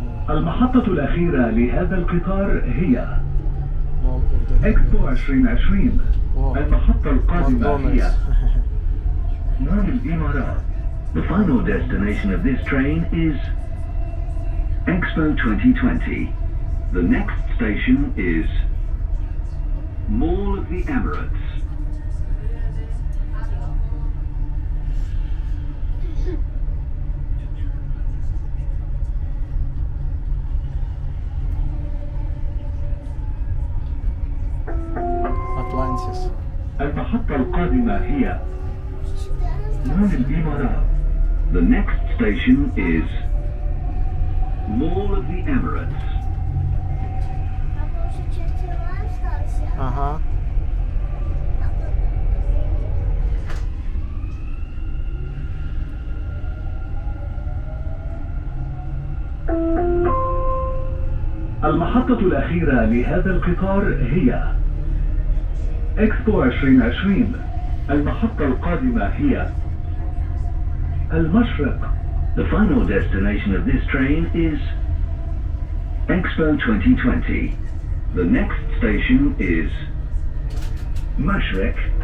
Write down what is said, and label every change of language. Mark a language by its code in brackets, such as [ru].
[ar] المحطة الأخيرة لهذا القطار هي إكسبو 2020. المحطة القادمة هي نام الإمارات. [en] The final destination of this train is Expo 2020. The next station is Mall of the Emirates. Atlantis. [ar] المحطة القادمة هي مول الإمارات. [en] The next station is Mall of the Emirates. Uh-huh. [ar] المحطة الأخيرة لهذا القطار هي إكسبو 2020. المحطة القادمة هي المشرق. [en] The final destination of this train is Expo 2020. The next station is Mashrek.